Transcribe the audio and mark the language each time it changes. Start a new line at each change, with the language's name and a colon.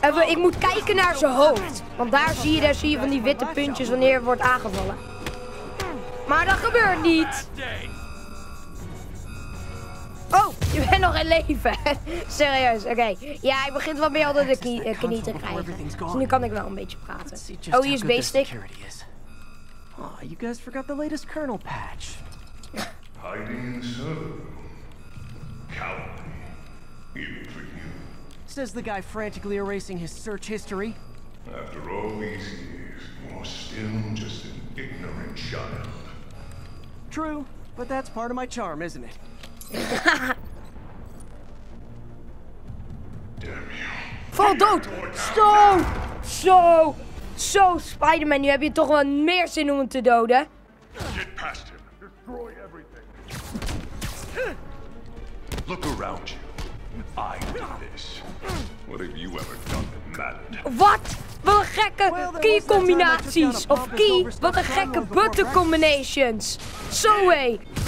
Dutch: Ik moet kijken naar zijn hoofd. Want daar zie je van die witte puntjes wanneer hij wordt aangevallen. Maar dat gebeurt niet. Oh, je bent nog in leven. Serieus, oké. Okay. Ja, hij begint wel meer onder de knie te krijgen. Dus nu kan ik wel een beetje praten. Oh, hier is B-stick.
English: Oh, you guys forgot the latest kernel patch. Hiding so. Cowardly. Says the guy frantically erasing his search history. After all these years, you're still just an ignorant child. True, but that's part of my charm, isn't it? Damn you.
Dutch: Val dood! Zo! Zo! Zo, Spider-Man, nu heb je toch wel meer zin om hem te doden.
English: Get past him. Destroy everything. Look around you. I did this. What have you ever done that mattered? What?
Dutch: Wat een gekke key combinaties. Of key, wat een gekke button combinations. Zo hé.